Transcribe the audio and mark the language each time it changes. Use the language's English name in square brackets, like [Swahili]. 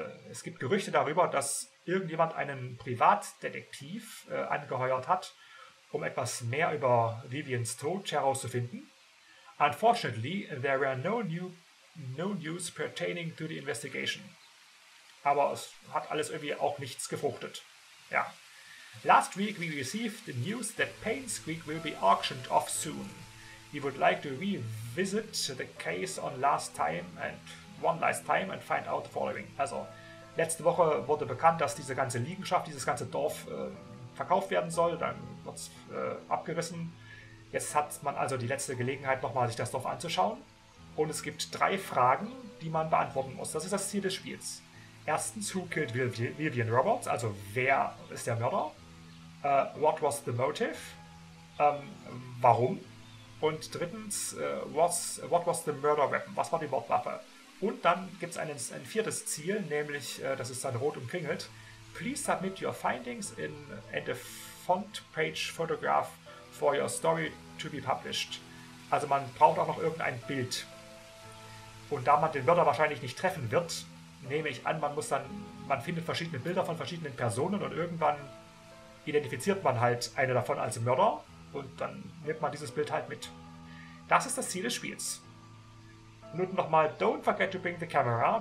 [German] Es gibt Gerüchte darüber, dass irgendjemand einen Privatdetektiv angeheuert hat, um etwas mehr über Vivians Tod herauszufinden. [English] Unfortunately, there were no news pertaining to the investigation. [German] Aber es hat alles irgendwie auch nichts gefruchtet. Ja. [English] Last week we received the news that Payne's Creek will be auctioned off soon. We would like to revisit the case one last time and find out the following. [German] Also, letzte Woche wurde bekannt, dass diese ganze Liegenschaft, dieses ganze Dorf verkauft werden soll. Dann wird es abgerissen. Jetzt hat man also die letzte Gelegenheit, nochmal sich das Dorf anzuschauen. Und es gibt drei Fragen, die man beantworten muss. Das ist das Ziel des Spiels. Erstens, [English] who killed Vivian Roberts? [German] Also, wer ist der Mörder? [English] What was the motive? [German] Warum? Und drittens, [English] what was the murder weapon? [German] Was war die Mordwaffe? Und dann gibt es ein viertes Ziel, nämlich, das ist dann rot umkringelt. [English] Please submit your findings and a font page photograph for your story to be published. [German] Also man braucht auch noch irgendein Bild. Und da man den Mörder wahrscheinlich nicht treffen wird, nehme ich an, man findet verschiedene Bilder von verschiedenen Personen und irgendwann identifiziert man halt eine davon als Mörder und dann nimmt man dieses Bild halt mit. Das ist das Ziel des Spiels. Nun nochmal, [English] don't forget to bring the camera.